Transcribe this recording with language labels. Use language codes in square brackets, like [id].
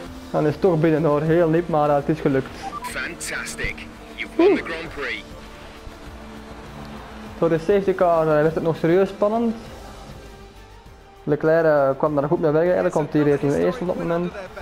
[nl] Dan is het toch binnen hoor, heel lief, maar het is gelukt. [en] Fantastic, you won the Grand Prix. [nl] Door de safety car werd het nog serieus spannend. Leclerc kwam daar goed mee weg, eigenlijk komt hij reeds in de eerste op dat moment.